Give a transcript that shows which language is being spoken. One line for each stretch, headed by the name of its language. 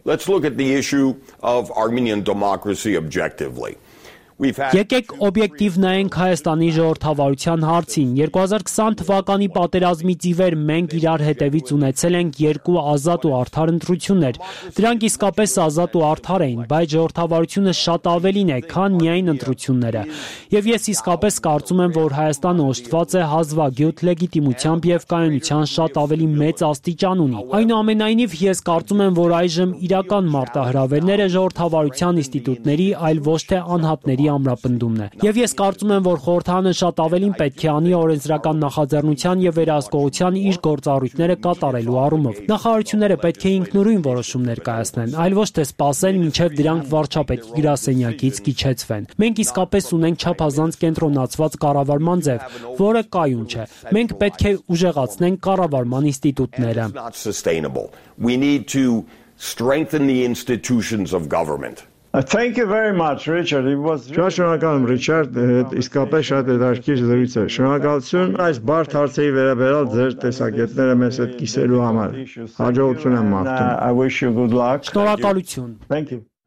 English: Let's look at the issue of Armenian democracy objectively.
Armenian: Եկեք օբյեկտիվ նայենք Հայաստանի ժողովրդավարության հարցին։ 2020 թվականի պատերազմից ի վեր մենք իրար հետևից ունեցել ենք երկու ազատ ու արդար ընտրություններ։ Դրանք իսկապես ազատ ու արդար էին, բայց ժողովրդավարությունը շատ ավելին է, քան միայն ընտրությունները։ Եվ ես իսկապես կարծում եմ, որ Հայաստանը օժտված է հազվագյուտ լեգիտիմությամբ և կայունության շատ ավելի մեծ աստիճան ունի։ Այնուամենայնիվ, ես կարծում եմ, որ այժմ իրական մարտահրավերները ժողովրդավարության ինստիտուտների, այլ ոչ թե անհատ ների ամրապնդումն է։ Եվ ես կարծում եմ, որ խորհրդանը շատ ավելին պետք է անի օրենսդրական նախաձեռնության եւ վերահսկողության իր գործառույթները կատարելու առումով։ Նախարարությունները պետք է ինքնուրույն որոշումներ կայացնեն, այլ ոչ թե սպասեն, մինչեւ դրանք վարչապետի գրասենյակից կիջեցվեն։ Մենք իսկապես ունենք չափազանց կենտրոնացված կառավարման ձև, որը կայուն չէ։ Մենք պետք է ուժեղացնենք կառավարման ինստիտուտները։
English: We need to strengthen the institutions of government. Thank you very much, Richard. It was really
Armenian: Շնորհակալություն, Ռիչարդ, իսկապես շատ երկար զրույց է։ Շնորհակալություն այս բարդ հարցերի վերաբերյալ ձեր տեսակետները մեզ հետ կիսելու համար։ Հաջողություն եմ մաղթում։
English: I wish you good luck.
Armenian: Շնորհակալություն։
English: Thank you.